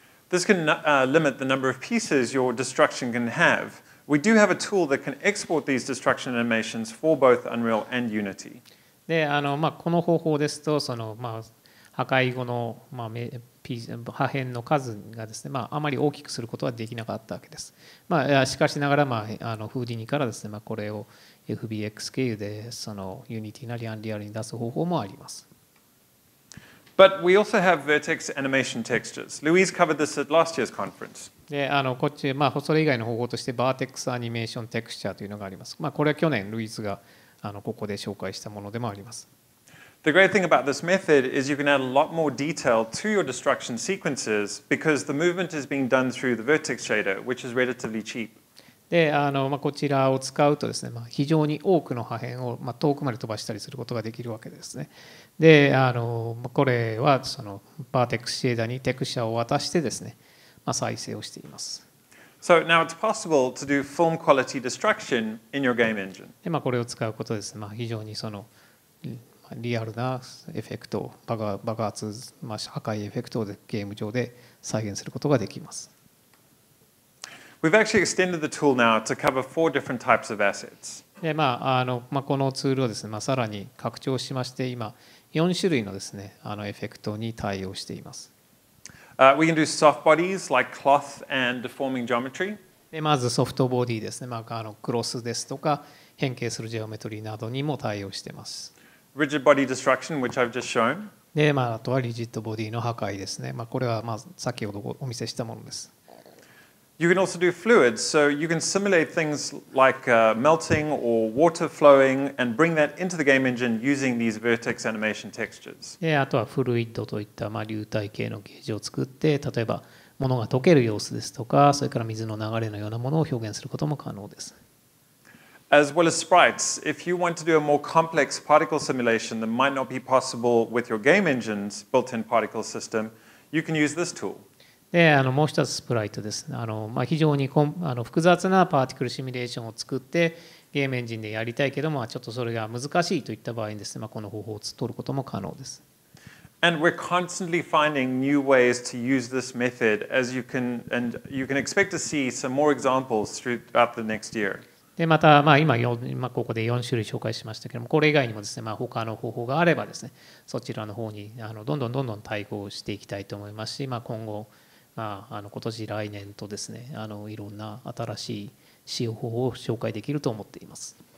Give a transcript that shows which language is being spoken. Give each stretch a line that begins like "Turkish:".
English: This can limit the number of pieces your destruction can have. We do have a tool that can export these destruction animations for both Unreal and Unity.
Japanese: で、まあ、この方法ですと、その、まあ、破壊後の、まあ破片の数がですね、まあ、あまり大きくすることはできなかったわけです。まあ、しかしながら、まあ、Houdini からですね、まあ、これを FBX 経由でその Unity なり Unreal に出す方法もあります。
English: But we also have vertex animation textures. Louise covered this at last year's conference.
Japanese: で、こっち、まあ、それ以外の方法として Vertex Animation Texture というのがあります。まあ、これは去年、Louise がここで紹介したものでもあります。
English: The great thing about this method is you can add a lot more detail to your destruction sequences because the movement is being done through the vertex shader, which is relatively cheap.
Japanese: で、まあ、こちらを使うとですね、まあ、非常に多くの破片を、まあ、遠くまで飛ばしたりすることができるわけですね。で、これはそのバーテックスシェーダーにテクスチャーを渡してですね、まあ、再生をしています。
English: So now it's possible to do film quality destruction in your game engine.
Japanese: で、まあ、これを使うことですね、まあ、非常にそのリアルなエフェクト、爆発、まあ、破壊エフェクトをゲーム上で再現することができます。
English: We've actually extended the tool now to cover four different types of assets.
Japanese: で、まあ、まあ、このツールをですね、まあ、さらに拡張しまして、今、4種類のですね、エフェクトに対応しています。
English: We can do soft bodies like cloth and deforming geometry.
Japanese: で、まずソフトボディですね、まあ、クロスですとか、変形するジオメトリーなどにも対応しています。
English: Rigid body destruction, which I've just shown.
Japanese: で、まあ、あとはリジットボディの破壊ですね。まあ、これは、まあ、先ほどお見せしたものです。
English: You can also do fluids, so you can simulate things like melting or water flowing and bring that into the game engine using these vertex animation textures.
Japanese: Yeah, あとはフルイッドといった、まあ、流体系のゲージを作って、例えば物が溶ける様子ですとか、それから水の流れのようなものを表現することも可能です。
English: As well as sprites, if you want to do a more complex particle simulation that might not be possible with your game engine's built-in particle system, you can use this tool.
Japanese: で、もう一つスプライトです。まあ、非常に複雑なパーティクルシミュレーションを作ってゲームエンジンでやりたいけども、ちょっとそれが難しいといった場合にですね、まあ、この方法を取ることも可能です。
English: And we're constantly finding new ways to use this method as you can, and you can expect to see some more examples throughout the next year.
Japanese: で、また、まあ、今ここで4種類紹介しましたけども、これ以外にもですね、まあ、他の方法があればですね、そちらの方にどんどんどんどん対応していきたいと思いますし、まあ、今後、まあ、今年来年とですね、いろんな新しい使用方法を紹介できると思っています。